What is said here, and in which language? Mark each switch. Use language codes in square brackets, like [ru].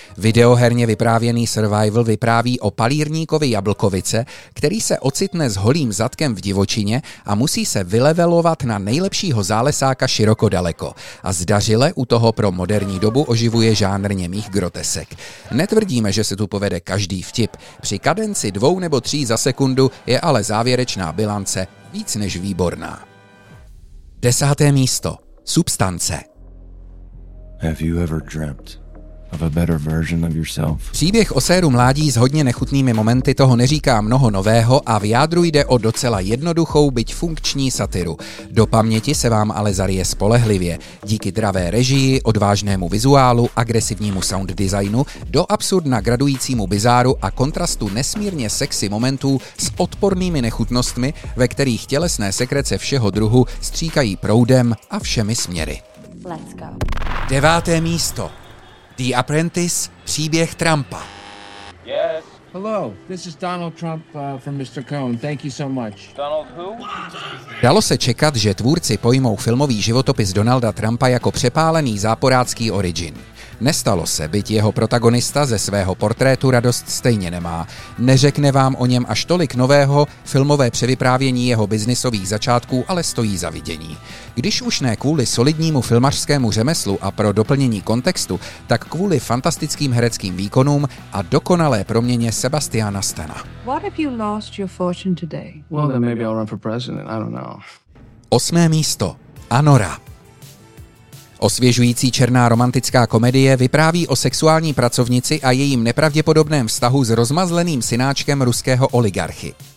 [cs] Videoherně vyprávěný survival vypráví o palírníkovi Jablkovice, který se ocitne s holým zadkem v divočině a musí se vylevelovat na nejlepšího zálesáka široko daleko. A zdařile u toho pro moderní dobu oživuje žánr němých grotesek. Netvrdíme, že se tu povede každý vtip. Při kadenci 2 nebo 3 za sekundu je ale závěrečná bilance víc než výborná. 10. místo. Substance. [en] Have you ever dreamt of a better version of yourself? [cs] Příběh o séru mládí s hodně nechutnými momenty toho neříká mnoho nového a v jádru jde o docela jednoduchou, byť funkční satiru. Do paměti se vám ale zarije spolehlivě. Díky dravé režii, odvážnému vizuálu, agresivnímu sound designu, do absurdna gradujícímu bizáru a kontrastu nesmírně sexy momentů s odpornými nechutnostmi, ve kterých tělesné sekrece všeho druhu stříkají proudem a všemi směry. [en] Let's go. [cs] 9. místo. The Apprentice, příběh Trumpa. [en] Yes. Hello, this is Donald Trump from Mr. Cohn. Thank you so much. Donald who? [cs] Dalo se čekat, že tvůrci pojmou filmový životopis Donalda Trumpa jako přepálený záporácký origin. Nestalo se, byť jeho protagonista ze svého portrétu radost stejně nemá. Neřekne vám o něm až tolik nového, filmové převyprávění jeho biznisových začátků ale stojí za vidění. Když už ne kvůli solidnímu filmařskému řemeslu a pro doplnění kontextu, tak kvůli fantastickým hereckým výkonům a dokonalé proměně Sebastiana Stana. [en] What if you lost your fortune today? Well, then maybe I'll run for president, I don't know. [cs] 8. místo. Anora. Osvěžující černá romantická komedie vypráví o sexuální pracovnici a jejím nepravděpodobném vztahu s rozmazleným synáčkem ruského oligarchy.